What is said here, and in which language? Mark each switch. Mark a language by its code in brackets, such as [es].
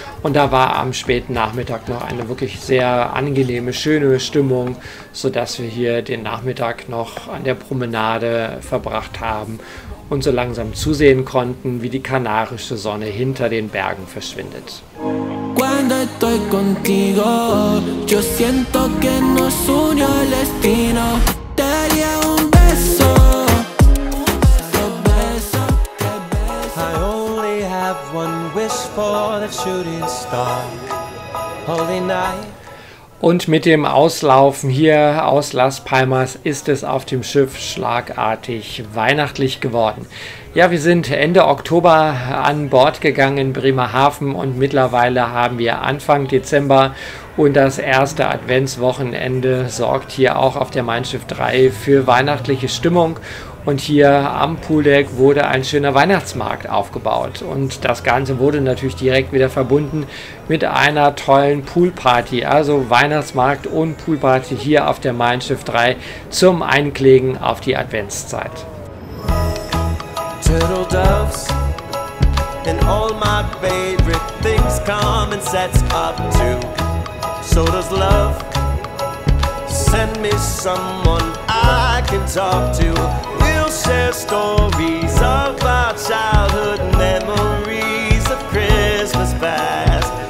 [de] Und da war am späten Nachmittag noch eine wirklich sehr angenehme, schöne Stimmung, sodass wir hier den Nachmittag noch an der Promenade verbracht haben und so langsam zusehen konnten, wie die kanarische Sonne hinter den Bergen verschwindet. [es] Cuando estoy contigo, yo siento que nos unió el destino. [en] One wish for the shooting star. Holy night. [de] Und mit dem Auslaufen hier aus Las Palmas ist es auf dem Schiff schlagartig weihnachtlich geworden. Ja, wir sind Ende Oktober an Bord gegangen in Bremerhaven und mittlerweile haben wir Anfang Dezember und das erste Adventswochenende sorgt hier auch auf der Mein Schiff 3 für weihnachtliche Stimmung. Und hier am Pooldeck wurde ein schöner Weihnachtsmarkt aufgebaut. Und das Ganze wurde natürlich direkt wieder verbunden mit einer tollen Poolparty. Also Weihnachtsmarkt und Poolparty hier auf der Mein Schiff 3 zum Einklingen auf die Adventszeit. [en] Turtle doves and all my favorite things come and sets up too. So does love. Send me someone I can talk to. We'll share stories of our childhood memories of Christmas past.